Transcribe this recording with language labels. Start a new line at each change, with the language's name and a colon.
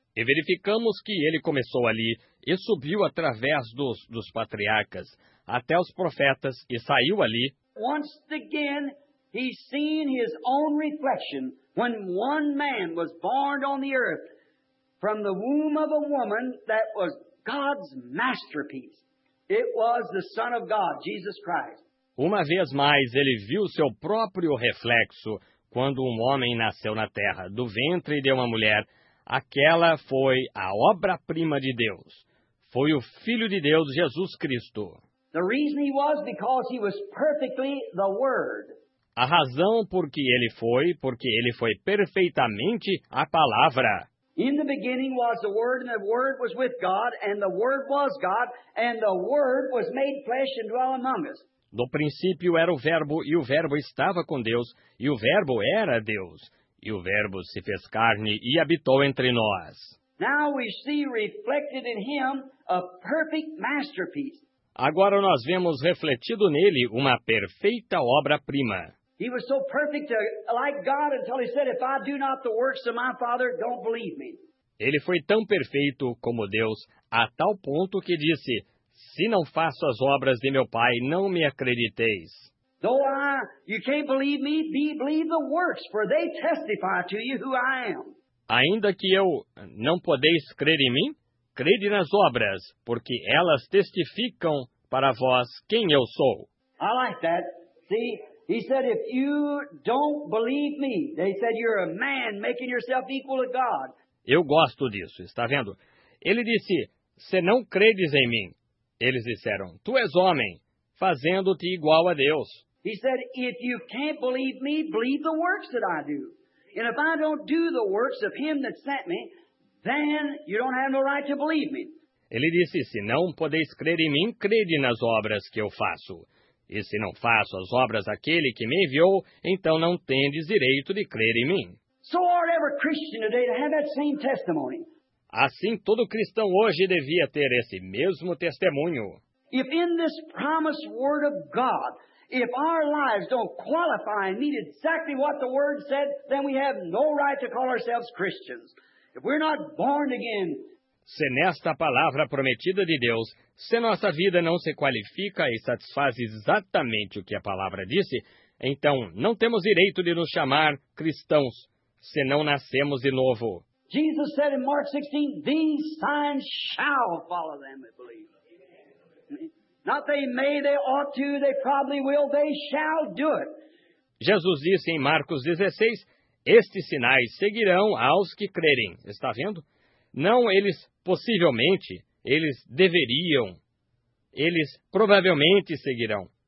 Portuguese: E verificamos que ele começou ali e subiu através dos patriarcas até os profetas e saiu ali.
English: Once again, he seen his own reflection when one man was born on the earth from the womb of a woman that was God's masterpiece. It was the Son of God, Jesus Christ.
Portuguese: Uma vez mais, ele viu seu próprio reflexo quando um homem nasceu na terra, do ventre de uma mulher. Aquela foi a obra-prima de Deus. Foi o Filho de Deus, Jesus Cristo.
English: The reason he was because he was perfectly the Word.
Portuguese: A razão porque ele foi, perfeitamente a Palavra.
English: In the beginning was the Word, and the Word was with God, and the Word was God, and the Word was made flesh and dwelt among us.
Portuguese: No princípio era o Verbo, e o Verbo estava com Deus, e o Verbo era Deus, e o Verbo se fez carne e habitou entre nós.
English: Now we see reflected in him a perfect masterpiece.
Portuguese: Agora nós vemos refletido nele uma perfeita obra-prima.
English: He was so perfect like God until he said, if I do not the works of my Father, don't believe me.
Portuguese: Ele foi tão perfeito como Deus, a tal ponto que disse, se não faço as obras de meu Pai, não me acrediteis.
English: You can't believe me, believe the works, for they testify to you who I am.
Portuguese: Ainda que eu não podeis crer em mim, crede nas obras, porque elas testificam para vós quem eu sou.
English: I like that. See? He said, if you don't believe me, they said, you're a man making yourself equal to God.
Portuguese: Eu gosto disso, está vendo? Ele disse, se não credes em mim, eles disseram, tu és homem, fazendo-te igual a Deus.
English: He said, if you can't believe me, believe the works that I do. And if I don't do the works of him that sent me, then you don't have no right to believe me.
Portuguese: Ele disse, se não podeis crer em mim, crede nas obras que eu faço. E se não faço as obras daquele que me enviou, então não tendes direito de crer em mim.
English: So are every Christian today to have that same testimony.
Portuguese: Assim, todo cristão hoje devia ter esse mesmo testemunho.
English: If in this promised word of God, If our lives don't qualify and meet exactly what the Word said, then we have no right to call ourselves Christians. If we're not born again,
Portuguese: se nesta palavra prometida de Deus, se nossa vida não se qualifica e satisfaz exatamente o que a palavra disse, então não temos direito de nos chamar cristãos, se não nascemos de novo.
English: Jesus said in Mark 16, these signs shall follow them that believe. Not they may, they ought to, they probably will, they shall do it.
Portuguese: Jesus disse em Marcos 16, estes sinais seguirão aos que crerem. Está vendo? Não eles possivelmente, eles deveriam. Eles provavelmente seguirão.